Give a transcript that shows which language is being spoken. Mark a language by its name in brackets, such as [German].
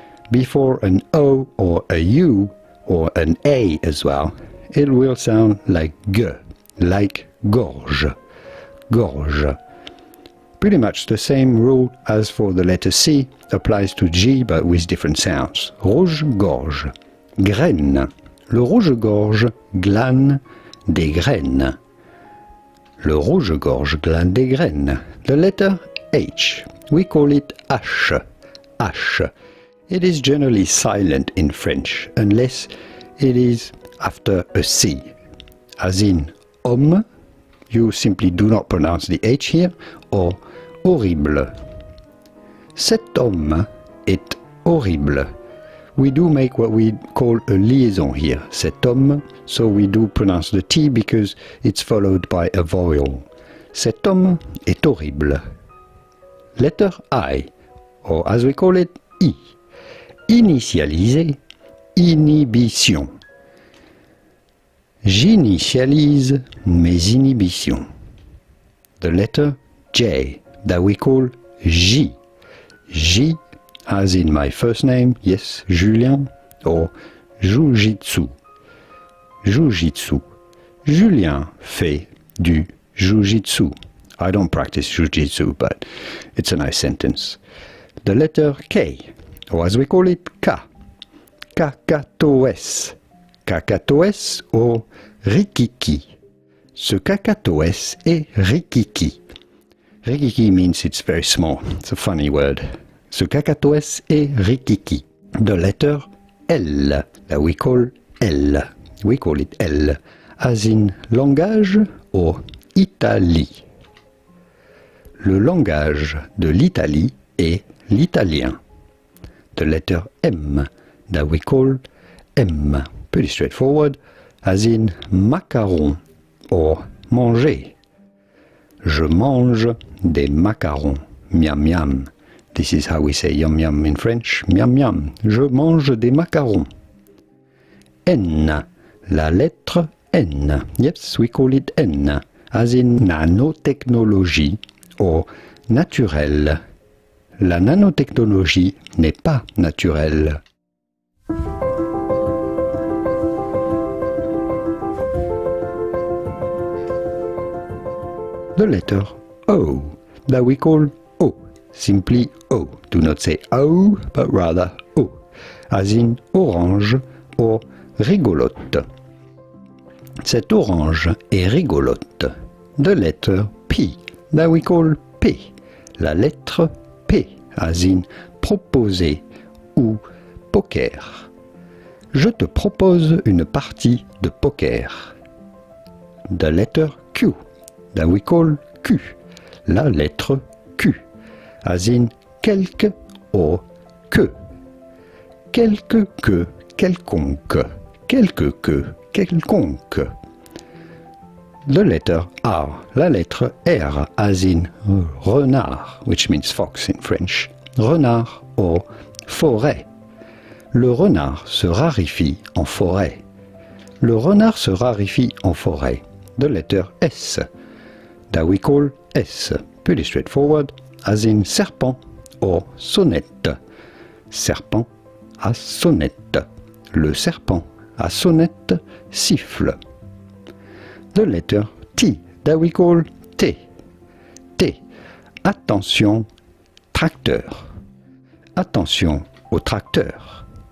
[English] Before an O or a U or an A as well, it will sound like G, like gorge. Gorge. Pretty much the same rule as for the letter C applies to G but with different sounds. [French] Rouge-gorge. Graine. Le rouge-gorge glane des graines. Le rouge-gorge glane des graines. [English] The letter H. We call it H. H. It is generally silent in French unless it is after a C. As in homme, you simply do not pronounce the H here, or horrible. [French] Cet homme est horrible. [English] We do make what we call a liaison here. [French] Cet homme, [English] so we do pronounce the T because it's followed by a vowel. [French] Cet homme est horrible. [English] Letter I, or as we call it, I. [French] Initialiser, inhibition. J'initialise mes inhibitions. [English] The letter J, that we call J. J, as in my first name, yes, Julien, or Jujitsu. Jujitsu. [French] Julien fait du Jujitsu. [English] I don't practice Jujitsu, but it's a nice sentence. The letter K, or as we call it, K. Kakatoès. [French] Kakatoès, or rikiki. Ce kakatoès est rikiki. [English] Rikiki means it's very small. It's a funny word. [French] Ce cacatoès est rikiki. [English] The letter L, that we call L. We call it L. As in langage or Italie. [French] Le langage de l'Italie est l'italien. [English] The letter M that we call M. Pretty straightforward, as in macaron or manger. [French] Je mange des macarons. Miam miam. [English] This is how we say yum yum in French. [French] Miam miam. Je mange des macarons. N. La lettre N. [English] Yes, we call it N. As in nanotechnologie or naturel. [French] La nanotechnologie n'est pas naturelle. [English] The letter O, that we call O, simply O. Do not say O, but rather O, as in orange or rigolote. [French] Cette orange est rigolote. [English] The letter P, that we call P, [French] la lettre P, [English] as in proposer ou poker. [French] Je te propose une partie de poker. [English] The letter Q, that we call Q, [French] la lettre Q, [English] as in quelque ou que. [French] Quelque que, quelconque, quelque que, quelconque. [English] The letter R, [French] la lettre R, [English] as in renard, which means fox in French. [French] Renard or forêt. Le renard se raréfie en forêt. Le renard se raréfie en forêt. [English] The letter S, that we call S, pretty straightforward, as in serpent or sonnette. [French] Serpent à sonnette. Le serpent à sonnette siffle. [English] The letter T, that we call T. T, attention, tracteur. [French] Attention au tracteur.